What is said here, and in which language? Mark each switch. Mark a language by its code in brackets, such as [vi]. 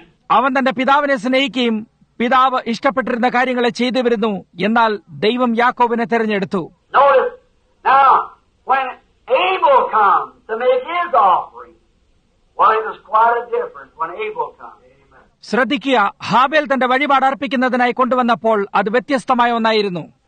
[ml] അവൻ തന്റെ പിതാവിനെ സ്നേഹിക്കുകയും പിതാവ് ഇഷ്ടപ്പെട്ടിരുന്ന കാര്യങ്ങളെ ചെയ്തു വരുന്നു. എന്നാൽ ദൈവം യാക്കോബിനെ തെരഞ്ഞെടുത്തു. [en] Now, when Abel comes to make his offering, well, it was quite a difference when Abel comes. [ml] ശ്രദ്ധിക്കുക, ഹാബേൽ തന്റെ വഴിപാട് അർപ്പിക്കുന്നതിനായി കൊണ്ടുവന്നപ്പോൾ അത് വ്യത്യസ്തമായ ഒന്നായിരുന്നു.